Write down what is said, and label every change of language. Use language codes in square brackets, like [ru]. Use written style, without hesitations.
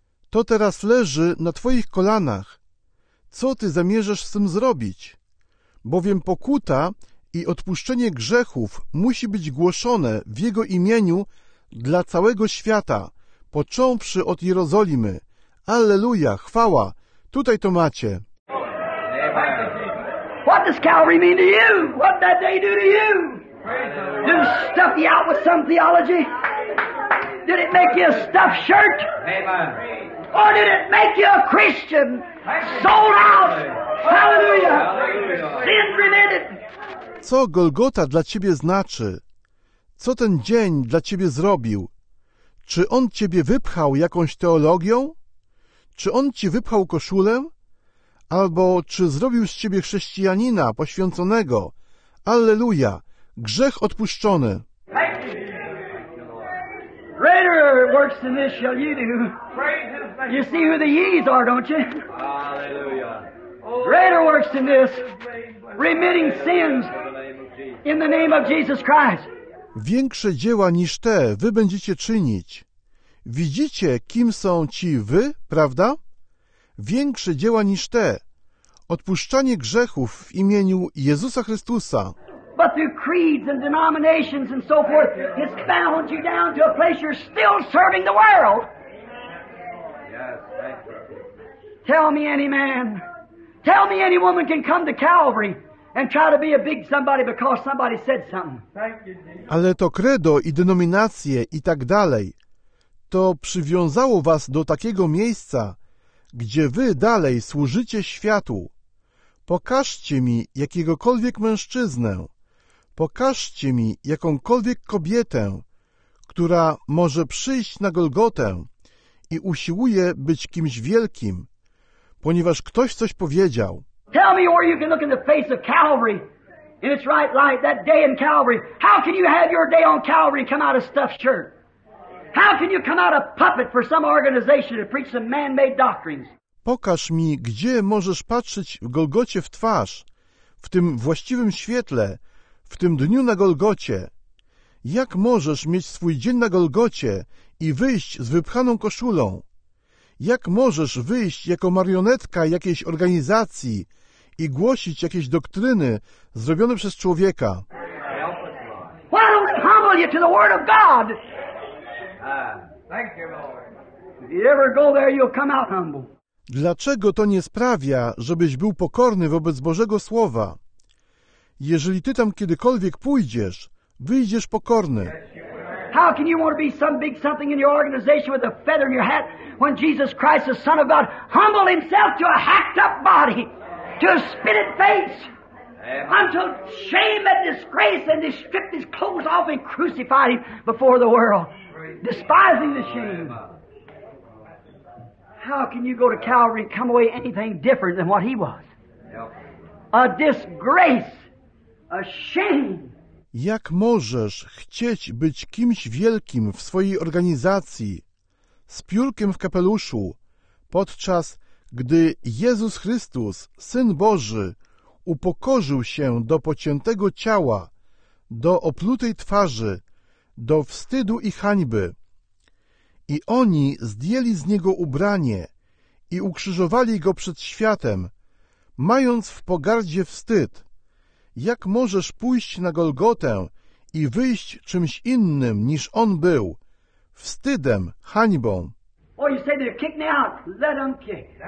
[pl] To teraz leży na twoich kolanach. Co ty zamierzasz z tym zrobić? Bowiem pokuta i odpuszczenie grzechów musi być głoszone w Jego imieniu dla całego świata, począwszy od Jerozolimy. Alleluja, chwała, tutaj to macie. [en] What does Calvary mean to you? What did that day do to you? Did it stuff you out with some theology? Did it make you a stuffed shirt? Or did it make you a Christian? Sold out! Hallelujah! Sins remitted! [pl] Co Golgota dla ciebie znaczy? Co ten dzień dla ciebie zrobił? Czy on ciebie wypchał jakąś teologią? Czy on ci wypchał koszulę? Albo czy zrobił z ciebie chrześcijanina poświęconego? Alleluja! Grzech odpuszczony! [en] Greater works than this shall you do. You see who the ye's are, don't you? Hallelujah. Greater works than this. Remitting sins. In the name of Jesus Christ. [pl] większe dzieła niż te wy będziecie czynić. Widzicie, kim są ci wy, prawda? Większe dzieła niż te. Odpuszczanie grzechów w imieniu Jezusa Chrystusa. [en] But through creeds and denominations and so forth, it's bound you down to a place you're still serving the world. Tell me any man, tell me any woman can come to Calvary and try to be a big somebody because somebody said something. [pl] Ale to kredo i denominacje i tak dalej, to przywiązało was do takiego miejsca, gdzie wy dalej służycie światu. Pokażcie mi jakiegokolwiek mężczyznę, pokażcie mi jakąkolwiek kobietę, która może przyjść na Golgotę i usiłuje być kimś wielkim, ponieważ ktoś coś powiedział. [en] Tell me where you can look in the face of Calvary in its right light, that day in Calvary. How can you have your day on Calvary and come out of stuffed shirt? How can you come out a puppet for some organization to preach some man-made doctrines? [pl] Pokaż mi, gdzie możesz patrzeć w Golgocie w twarz, w tym właściwym świetle, w tym dniu na Golgocie. Jak możesz mieć swój dzień na Golgocie i wyjść z wypchaną koszulą? Jak możesz wyjść jako marionetka jakiejś organizacji i głosić jakieś doktryny zrobione przez człowieka? [en] Why don't it humble you to the word of God? Thank you, Lord. If you ever go there, you'll come out humble. [pl] Dlaczego to nie sprawia, żebyś był pokorny wobec Bożego Słowa? Jeżeli ty tam kiedykolwiek pójdziesz, wyjdziesz pokorny. [en] How can you want to be some big something in your organization with a feather in your hat when Jesus Christ, the Son of God, humbled himself to a hacked up body, to a spitted face, unto shame and disgrace, and he stripped his clothes off and crucified him before the world, despising the shame? How can you go to Calvary and come away anything different than what he was? A disgrace, a shame. [pl] Jak możesz chcieć być kimś wielkim w swojej organizacji, z piórkiem w kapeluszu, podczas gdy Jezus Chrystus, Syn Boży, upokorzył się do pociętego ciała, do oplutej twarzy, do wstydu i hańby? I oni zdjęli z Niego ubranie i ukrzyżowali Go przed światem, mając w pogardzie wstyd. Jak możesz pójść na Golgotę i wyjść czymś innym niż on był? Wstydem, hańbą. [en] Oh, you say they kick me out. Let them kick.